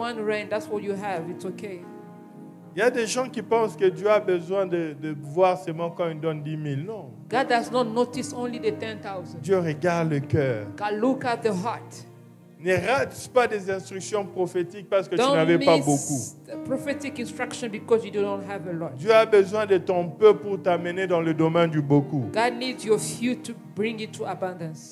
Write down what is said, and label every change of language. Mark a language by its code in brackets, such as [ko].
[en] One rein, that's what you have. It's okay. [fr] Il y a des gens qui pensent que Dieu a besoin de voir seulement quand il donne 10 000. Non. [en] God does not notice only the 10,000. [fr] Dieu regarde le cœur. [en] God look at the heart. [fr] Ne rate pas des instructions prophétiques parce que tu n'avais pas beaucoup. [en] Don't miss prophetic instruction because you don't have a lot. [fr] Dieu a besoin de ton peu pour t'amener dans le domaine du beaucoup. [en] God needs your few to bring it to abundance.